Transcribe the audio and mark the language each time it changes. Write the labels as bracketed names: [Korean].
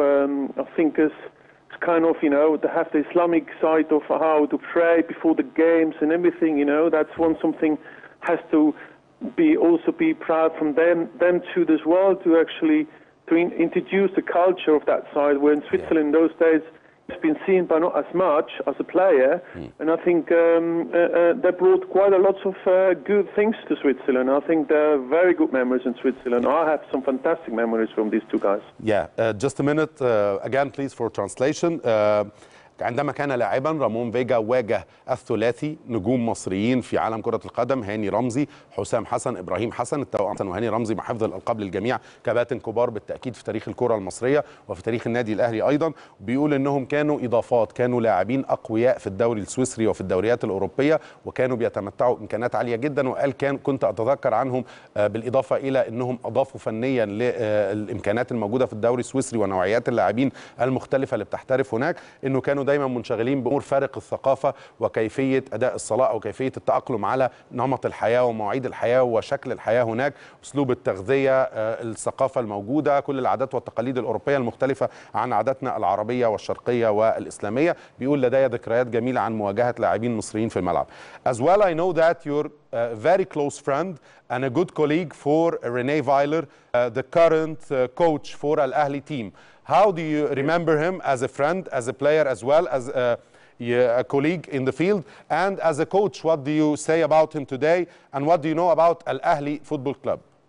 [English] I think as kind of, you know, to have the Islamic side of how to pray before the games and everything, you know, that's one something has to be also be proud from them too as well, to actually to introduce the culture of that side, where in Switzerland in those days it's been seen by not as much as a player. And I think that brought quite a lot of good things to Switzerland. I think there are very good memories in Switzerland. I have some fantastic memories from these two guys. Just a minute, again please, for translation. [Arabic] عندما كان لاعبا رامون فيجا واجه الثلاثي نجوم مصريين في عالم كرة القدم، هاني رمزي، حسام حسن، إبراهيم حسن، التوأم حسن وهاني رمزي بحفظ الألقاب للجميع، كباتن كبار بالتأكيد في تاريخ الكرة المصرية وفي تاريخ النادي الأهلي أيضا. بيقول إنهم كانوا إضافات، كانوا لاعبين أقوياء في الدوري السويسري وفي الدوريات الأوروبية، وكانوا بيتمتعوا إمكانات عالية جدا. وقال كنت أتذكر عنهم بالإضافة إلى إنهم أضافوا فنيا للإمكانات الموجودة في الدوري السويسري ونوعيات اللاعبين المختلفة اللي بتحترف هناك، إنه كانوا دايما منشغلين بأمور فارق الثقافة وكيفية أداء الصلاة أو كيفية التأقلم على نمط الحياة ومواعيد الحياة وشكل الحياة هناك، أسلوب التغذية، الثقافة الموجودة، كل العادات والتقاليد الأوروبية المختلفة عن عاداتنا العربية والشرقية والإسلامية. بيقول لدي ذكريات جميلة عن مواجهة لاعبين مصريين في الملعب. [English] As well, I know that you're very close friend and a good colleague for Rinee Weiler, the current coach for Al Ahli team. How do you remember him as a friend, as a player, as well as a colleague in the field? And as a coach, what do you say about him today? And what do you know about Al Ahli Football Club?